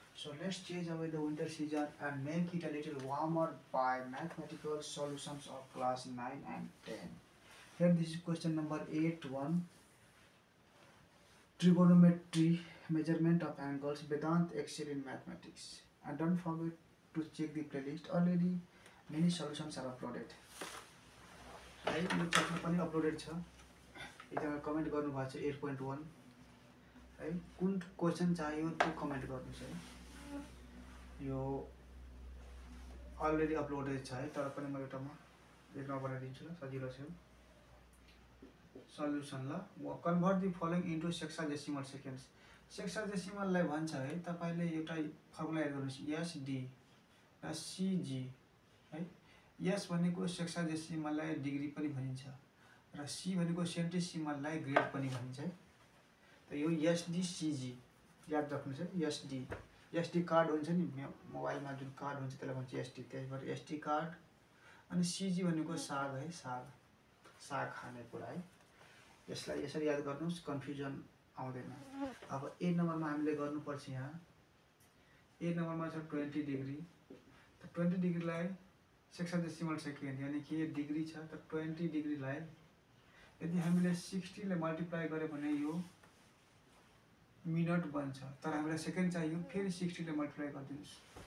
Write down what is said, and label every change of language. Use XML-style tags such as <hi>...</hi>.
<en>So let's change away the winter season and make it a little warmer by mathematical solutions of class 9 and 10। Here this is question number 81, trigonometry measurement of angles, Vedant excel in mathematics. And don't forget to check the playlist, already many solutions are uploaded, right.</en> <ne>यो chapter पनि uploaded छ, एकजना comment गर्नुभएको छ 8.1, है। कुन question चाहियो त्यो कमेन्ट गर्नुहोस् है। यो अलरेडी अपलोडेड छ है, तर पनि म एउटामा लेख्न बनाइदिन्छु ल, सजिलो छ।</ne> <en>Solution ल, convert the following into sexagesimal seconds.</en> <ne>सेक्सागेसिमललाई भन्छ है, तपाईँले एउटा फर्मुला एड गर्नुहोस् एसडी र सिजी, है। एस भनेको सेक्सागेसिमललाई डिग्री पनि भनिन्छ र सी भनेको सेन्टिसिमललाई ग्रेड पनि भनिन्छ है। यो एसडी सिजी याद राख्नुहोस् है। एसडी, एसडी कार्ड हुन्छ नि मोबाइलमा जुन कार्ड हुन्छ त्यसलाई भन्छ एसडी, त्यसबाट एसडी कार्ड। अनि सिजी भनेको साग है, साग, साग खाने कुरा है। यसलाई यसरी याद गर्नुहोस्, कन्फ्युजन आउँदैन। अब ए नम्बरमा हामीले गर्नुपर्छ, यहाँ ए नम्बरमा छ 20 डिग्री। त 20 डिग्रीलाई सेक्सागेसिमल सेकेन्ड, यानि कि डिग्री छ, त 20 डिग्रीलाई यदि हामीले 60ले मल्टिप्लाई गर्यो भने यो मिनट बन्छ, तर हामीलाई सेकेन्ड चाहियो, फेरि 60ले मल्टिप्लाई गरिदिनुहोस्।</ne>